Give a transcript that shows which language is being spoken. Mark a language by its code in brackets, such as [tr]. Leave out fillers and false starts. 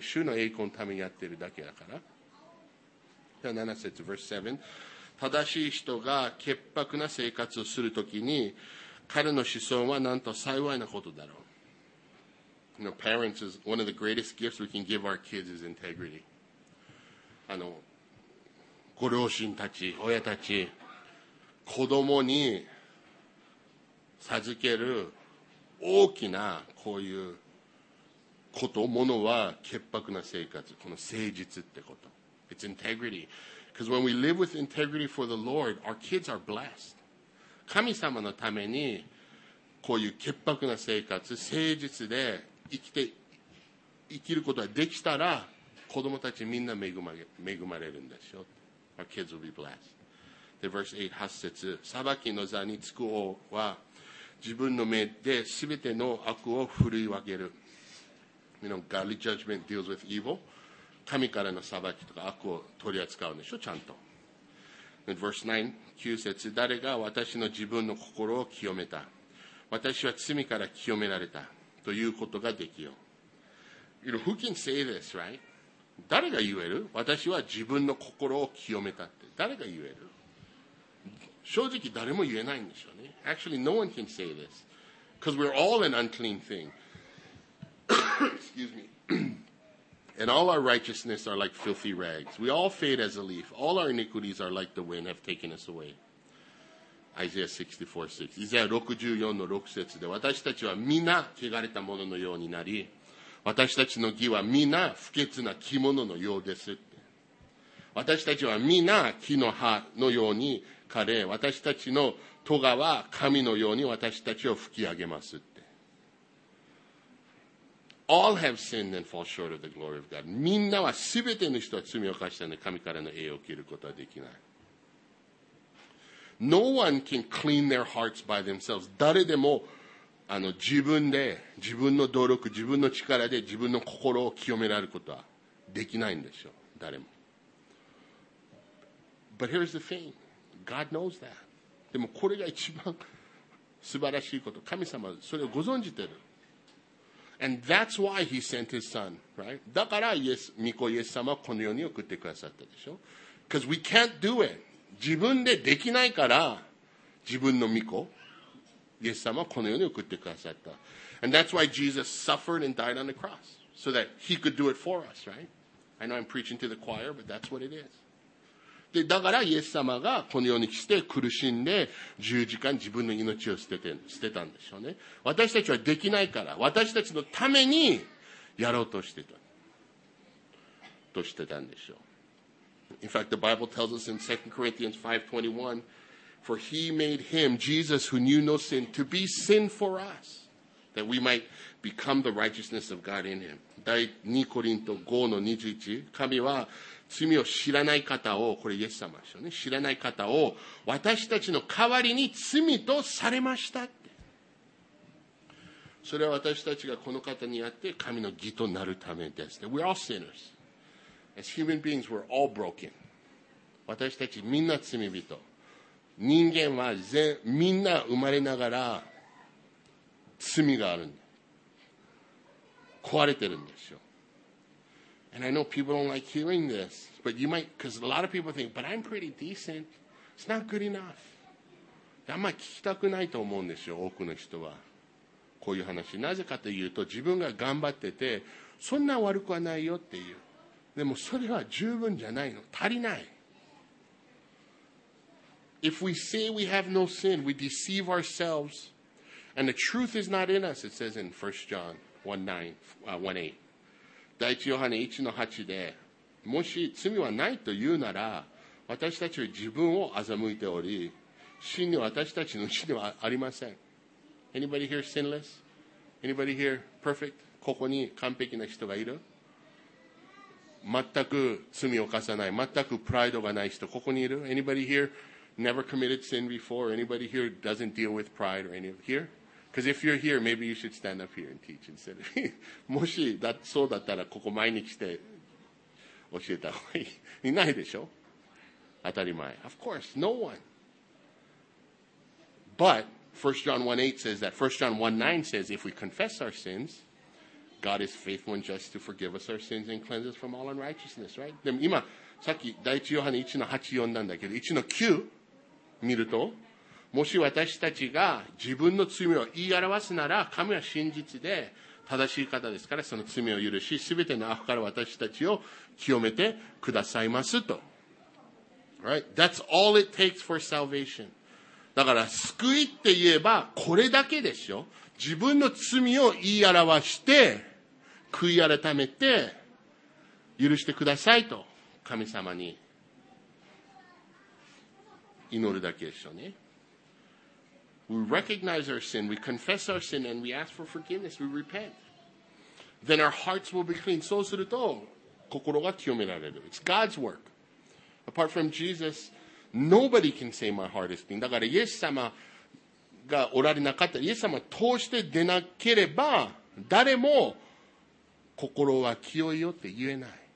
[ja] 主の栄光のためにやってるだけだから。 7節、 [en] verse 7。 [ja] 正しい人が潔白な生活をするときに、彼の子孫はなんと幸いなことだろう。 [en] You know, parents is one of the greatest gifts we can give our kids is integrity. [ja] あの、ご両親たち、親たち、子供に授ける大きなこういうこと、ものは潔白な生活、この誠実ってこと。 [en] It's integrity. Because when we live with integrity for the Lord, our kids are blessed. [ja] 神様のために、こういう潔白な生活、誠実で生きることができたら、子供たちみんな恵まれるんでしょ。 [en] Our kids will be blessed. The verse 8, [ja] 8節、裁きの座につく王は、自分の目で全ての悪を振り分ける。 [en] You know, godly judgment deals with evil. [ja] 神からの裁きとか悪を取り扱うんでしょ、ちゃんと。 [en] Verse 9, [ja] 9節、誰が私の自分の心を清めた。私は罪から清められたということができよう。 [en] You know, who can say this, right? [ja] 誰が言える？私は自分の心を清めたって。誰が言える？正直誰も言えないんでしょうね。 [en] Actually, no one can say this. Because we're all an unclean thing. Excuse me. And all our righteousness are like filthy rags. We all fade as a leaf. All our iniquities are like the wind have taken us away. Isaiah 64:6. [ja] Isaiah 64:6 で、私たちはみんな汚れたもののようになり、私たちの義はみんな不潔な着物のようですって。私たちはみんな木の葉のように枯れ、私たちの戸川は神のように私たちを吹き上げますって。 [en] All have sinned and fall short of the glory of God. [ja] みんなは、すべての人は罪を犯したので、神からの栄を受けることはできない。 [en] No one can clean their hearts by themselves. [ja] 誰でも、自分で、自分の努力、自分の力で、自分の心を清められることはできないんでしょう。誰も。 [en] But here's the thing. God knows that. [ja] でも、これが一番素晴らしいこと。神様、それをご存じてる。 [en] And that's why he sent his son, right? [ja] だから、イエス、御子イエス様はこの世に送ってくださったでしょ? [en] Because we can't do it. [ja] 自分でできないから、自分の御子、イエス様はこの世に送ってくださった。 [en] And that's why Jesus suffered and died on the cross. So that he could do it for us, right? I know I'm preaching to the choir, but that's what it is. [ja] で、だから、イエス様がこの世に来て苦しんで、十時間自分の命を捨てたんでしょうね。私たちはできないから、私たちのためにやろうとしてた。としてたんでしょう。 [en] In fact, the Bible tells us in 2 Corinthians 5:21, For he made him, Jesus, who knew no sin, to be sin for us, that we might become the righteousness of God in him. [ja] 第2コリント 5:21, 神は、罪を知らない方を、これイエス様でしょうね。知らない方を、私たちの代わりに罪とされましたって。それは私たちがこの方にあって、神の義となるためです。 [en] We're all sinners. As human beings, we're all broken. [ja] 私たちみんな罪人。人間は全、みんな生まれながら、罪があるんだ。壊れてるんでしょ。 [en] And I know people don't like hearing this, but you might, because a lot of people think, but I'm pretty decent. It's not good enough. [ja] あんまり聞きたくないと思うんですよ、多くの人は。こういう話。なぜかというと、自分が頑張ってて、そんな悪くはないよっていう。でもそれは十分じゃないの。足りない。 [en] If we say we have no sin, we deceive ourselves, and the truth is not in us, it says in 1 John 1:8. [ja] 第一ヨハネ1の8で、もし罪はないと言うなら、私たちは自分を欺いており、真に私たちの死ではありません。 [en] Anybody here sinless? Anybody here perfect? [ja] ここに完璧な人がいる？全く罪を犯さない、全くプライドがない人、ここにいる？ [en] Anybody here never committed sin before? Anybody here doesn't deal with pride or any of here? Because if you're here, maybe you should stand up here and teach instead of me. [ja] もしだそうだったら、ここ前に来て教えた方がいい。いないでしょ？当たり前。 [en] Of course, no one. But, 1 John 1:8 says that, 1 John 1:9 says, if we confess our sins, God is faithful and just to forgive us our sins and cleanse us from all unrighteousness, right? [ja] でも今、さっき第一ヨハネ1の8読んだんだけど、1の9見ると、もし私たちが自分の罪を言い表すなら、神は真実で正しい方ですから、その罪を許し、すべての悪から私たちを清めてくださいますと。 [en] Right? That's all it takes for salvation. [ja] だから、救いって言えば、これだけでしょ。自分の罪を言い表して、悔い改めて、許してくださいと、神様に祈るだけでしょうね。 [en] We recognize our sin, we confess our sin, and we ask for forgiveness, we repent. Then our hearts will be clean. [ja] そうすると、心が清められる。 [en] It's God's work. Apart from Jesus, nobody can say my heart is clean. [ja] だから、イエス様がおられなかったら、イエス様通して出なければ、誰も心は清いよって言えない。